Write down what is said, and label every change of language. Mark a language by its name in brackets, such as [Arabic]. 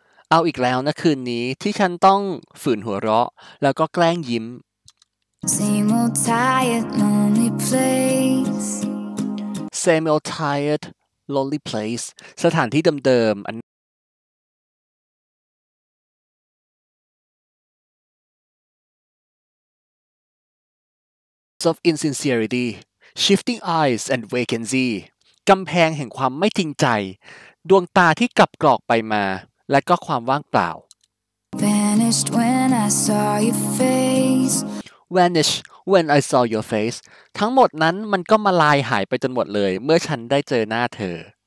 [Thai] เอาอีกแล้วนะคืนนี้ที่ฉันต้องฝืนหัวเราะแล้วก็แกล้งยิ้ม [English] Same old tired, lonely place. Same old tired, lonely place. [Thai] สถานที่เดิมๆ [English] of insincerity shifting eyes and vacancy [Thai] กำแพงแห่งความไม่จริงใจดวงตาที่กลับกรอกไปมาและก็ความว่างเปล่า [English] vanished when I saw your face [Thai] vanished when I saw your face ทั้งหมดนั้นมันก็มาลายหายไปจนหมดเลยเมื่อฉันได้เจอหน้าเธอ